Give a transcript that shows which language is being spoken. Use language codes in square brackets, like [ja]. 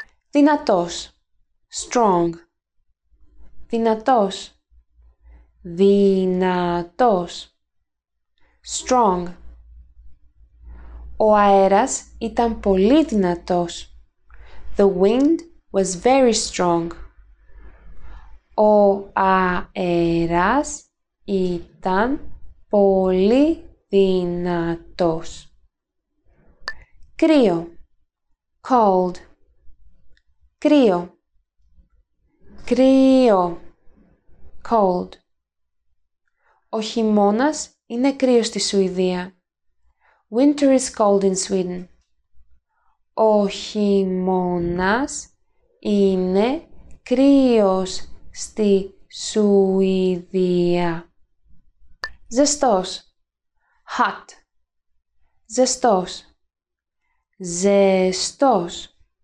[el] Δυνατός. [en] Strong. [el] Δυνατός. Δυνατός. [en] Strong. [el] Ο αέρας ήταν πολύ δυνατός. [en] The wind was very strong. [el] Ο αέρας ήταν πολύ δυνατός. Κρύο. [en] Cold. [el] Κρύο. Κρύο. [en] Cold. [el] Ο χειμώνας είναι κρύος στη Σουηδία. [en] Winter is cold in Sweden. [el] Ο χειμώνας είναι κρύος στη Σουηδία. Ζεστός. [en] Hot. [el] Ζεστός. Ζεστός.